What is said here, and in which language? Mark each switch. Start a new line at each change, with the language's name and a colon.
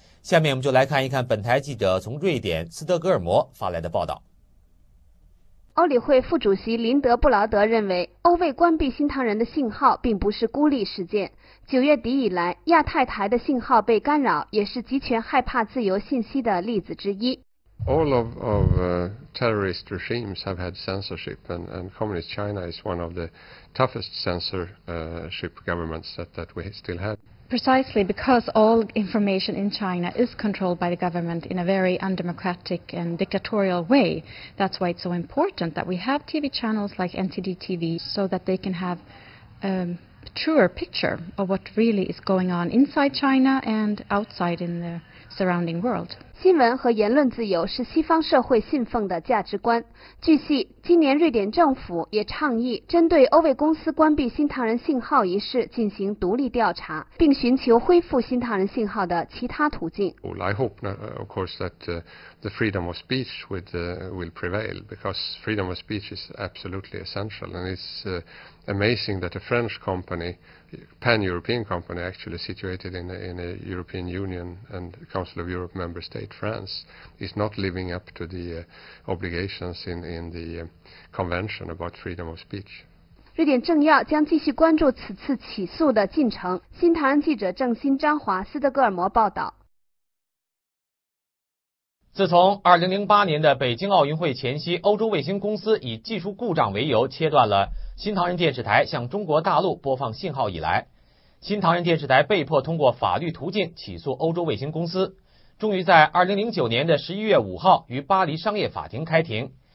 Chinese: 下面我们就来看一看本台记者从瑞典斯德哥尔摩发来的报道。奥理会副主席林德布劳德认为，欧卫关闭新唐人的信号并不是孤立事件。九月底以来，亚太台的信号被干扰，也是集权害怕自由信息的例子之一。
English: All of terrorist regimes have had censorship, and communist China is one of the toughest censorship governments that we still have. Precisely because all information in China is controlled by the government in a very undemocratic and dictatorial way. That's why it's so important that we have TV channels like NTD TV so that they can have a truer picture of what really is going on inside China and outside in the surrounding world.
Chinese: 新闻和言论自由是西方社会信奉的价值观。据悉，今年瑞典政府也倡议针对欧卫公司关闭新唐人信号一事进行独立调查，并寻求恢复新唐人信号的其他途径。
English: Well, I hope, of course, that the freedom of speech will prevail, because freedom of speech is absolutely essential. And it's amazing that a French company, pan-European company, actually situated in a European Union and Council of Europe member state, France, is not living up to the obligations in the convention about freedom of speech.
Chinese: 瑞典政要将继续关注此次起诉的进程。新唐人记者郑新、张华、斯德哥尔摩报道。自从2008年的北京奥运会前夕，欧洲卫星公司以技术故障为由切断了新唐人电视台向中国大陆播放信号以来，新唐人电视台被迫通过法律途径起诉欧洲卫星公司，终于在2009年的11月5号于巴黎商业法庭开庭。